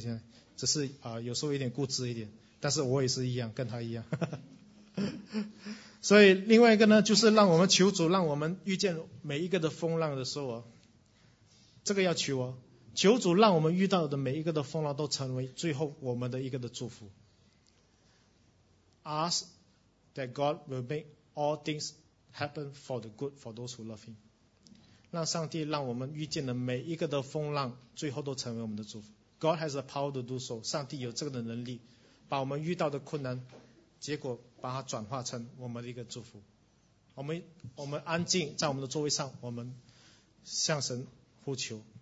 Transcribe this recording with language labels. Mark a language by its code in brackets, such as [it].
[zh] 现在只是有时候有点固执一点，但是我也是一样，跟他一样。所以另外一个呢，就是让我们求主，让我们遇见每一个的风浪的时候，这个要求哦，求主让我们遇到的每一个的风浪都成为最后我们的一个的祝福。 [en] Ask that God will make all things happen for the good for those who love Him。 [zh] 让上帝让我们遇见的每一个的风浪，最后都成为我们的祝福。 [en] God has the power to do so。 [zh] 上帝有这个的能力，把我们遇到的困难，结果把它转化成我们的一个祝福。我们安静在我们的座位上，我们向神呼求。